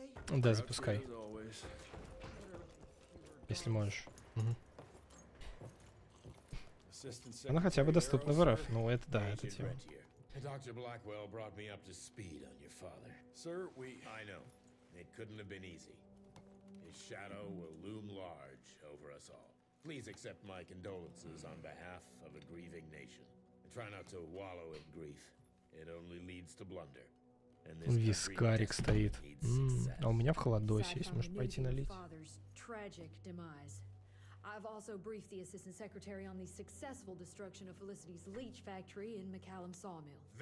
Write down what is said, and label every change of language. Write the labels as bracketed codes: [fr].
[ru] Да, запускай. Если можешь. Она хотя бы доступна в РФ. Ну, это да, это тема. [en] Dr. Blackwell brought me up to speed on your father. Sir, we... I know. It couldn't have been easy. His shadow will loom large over us all. Please accept my condolences on behalf of a grieving nation. And try not to wallow in grief. It only leads to blunder. [ru] Вискарик стоит. А у меня в холодосе есть, можешь пойти налить. [en] Tragic demise. I've also briefed the assistant secretary on the successful destruction of Felicity's leech factory in McCallum Sawmill.